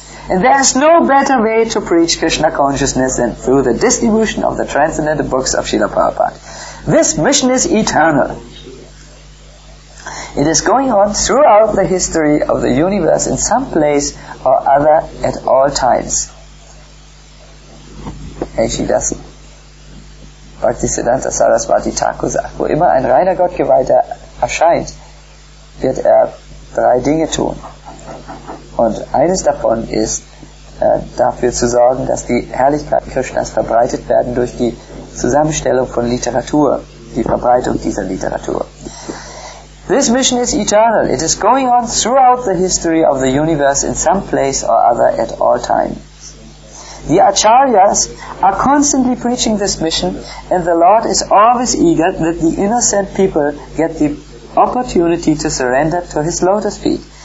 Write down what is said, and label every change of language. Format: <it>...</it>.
<en>And there is no better way to preach Krishna consciousness than through the distribution of the transcendental books of Srila Prabhupada. This mission is eternal. It is going on throughout the history of the universe in some place or other at all times.</en> <de>Bhaktisiddhanta Sarasvati Thakur sagt, wo immer ein reiner Gottgeweihter erscheint, wird er drei Dinge tun. Und eines davon ist, dafür zu sorgen, dass die Herrlichkeit Krishnas verbreitet werden durch die Zusammenstellung von Literatur, die Verbreitung dieser Literatur.</de> <en>This mission is eternal. It is going on throughout the history of the universe in some place or other at all times. The Acharyas are constantly preaching this mission, and the Lord is always eager that the innocent people get the opportunity to surrender to his lotus feet.</en>